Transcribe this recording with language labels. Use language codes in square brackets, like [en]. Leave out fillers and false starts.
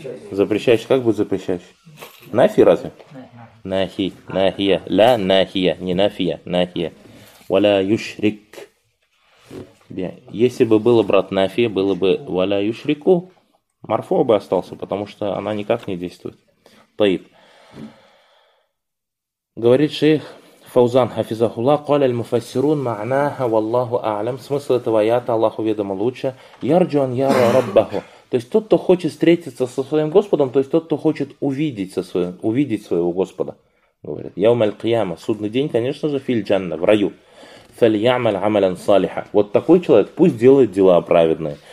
[ru] Запрещающий. Как будет запрещающий? Нафи разве? Нахи. Нахия. Ла нахия. Не нафия. Нахия. [ar] Валя юшрик. [ru] Если бы был брат нафи, было бы [ar] валя юшрику. [ru] Марфо бы остался, потому что она никак не действует. [ar] Таиб. [ru] Говорит шейх Фаузан Хафизахулла, [ar] قال المفسرون معناها والله أعلم. [ru] Смысл этого аята, Аллаху ведомо лучше. [ar] Ярджу ан яра раббаху. [ru] То есть тот, кто хочет встретиться со своим Господом, то есть тот, кто хочет увидеть своего Господа. Говорит, [ar] يوم القيامة, [ru] судный день, конечно же, [ar] фил джанна, [ru] в раю. [ar] فَلْيَعْمَلْ عَمَلًا صَالِحًا. [ru] Вот такой человек пусть делает дела праведные.